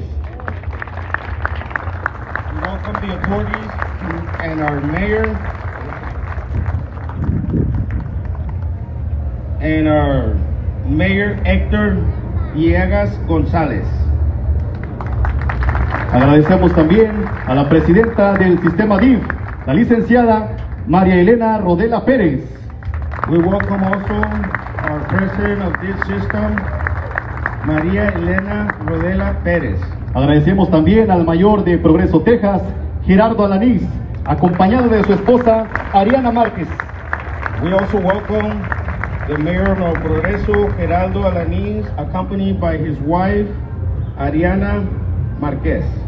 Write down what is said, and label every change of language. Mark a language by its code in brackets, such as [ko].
[en] We welcome the authorities and our mayor and our mayor Héctor Villegas González. [es] Agradecemos también a la presidenta del sistema DIF, la licenciada María Elena Rodela Pérez. [en] We welcome also our president of this system, María Elena Rodela Pérez. [es] Agradecemos también al mayor de Progreso, Texas, Gerardo Alaniz, acompañado de su esposa, Ariana Márquez. [en] We also welcome the mayor of Progreso, Gerardo Alaniz, accompanied by his wife, Ariana Márquez.